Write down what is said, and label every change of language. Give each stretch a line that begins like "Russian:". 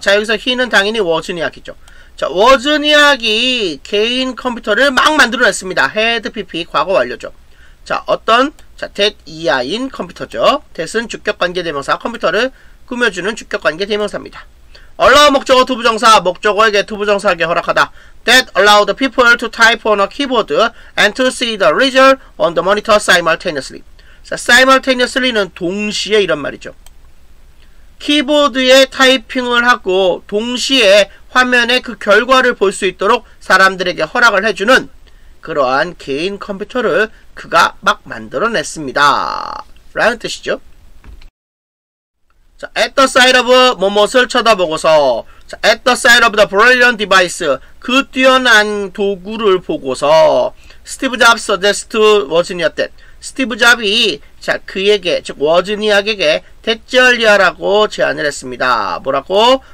Korean: 자, 여기서 he는 당연히 워즈니악이죠. 자, 워즈니악이 개인 컴퓨터를 막 만들어냈습니다. had pp 과거 완료죠. 자, 어떤 자, that 이하인 컴퓨터죠. that은 주격관계 대명사, 컴퓨터를 꾸며주는 주격관계 대명사입니다. allow 목적어 to 부정사, 목적어에게 to 부정사하게 허락하다.
English: that allowed people to type on a keyboard and to see the result on the monitor simultaneously.
Korean: 자, simultaneously는 동시에 이런 말이죠. 키보드에 타이핑을 하고 동시에 화면에 그 결과를 볼 수 있도록 사람들에게 허락을 해주는 그러한 개인 컴퓨터를 그가 막 만들어냈습니다. 라는 뜻이죠. 자, at the side of 뭐뭐를 쳐다보고서 자,
English: at the side of the brilliant device
Korean: 그 뛰어난 도구를 보고서 스티브 잡스 suggested 워즈니어댓 스티브 잡이 자 그에게 즉 워즈니악에게 대절리아라고 제안을 했습니다. 뭐라고?